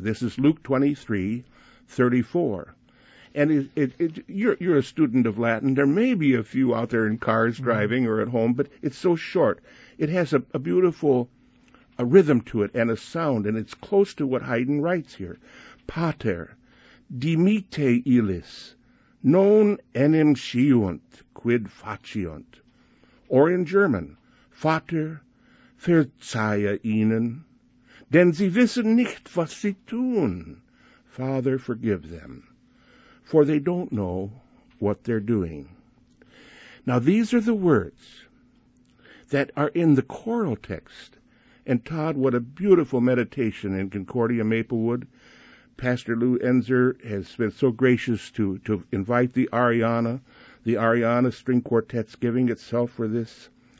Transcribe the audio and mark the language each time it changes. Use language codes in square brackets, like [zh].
[en] This is Luke 23:34. And you're a student of Latin. There may be a few out there in cars driving or at home, but it's so short. It has a beautiful rhythm to it and a sound, and it's close to what Haydn writes here. [la] Pater, dimitte illis, non enim sciunt quid faciunt. [en] Or in German, [de] Vater, verzeihe ihnen, denn sie wissen nicht, was sie tun. [en] Father, forgive them, for they don't know what they're doing. Now, these are the words that are in the choral text. And Todd, what a beautiful meditation in Concordia Maplewood. Pastor Lou Enzer has been so gracious to invite the Ariana String Quartet's giving itself for this.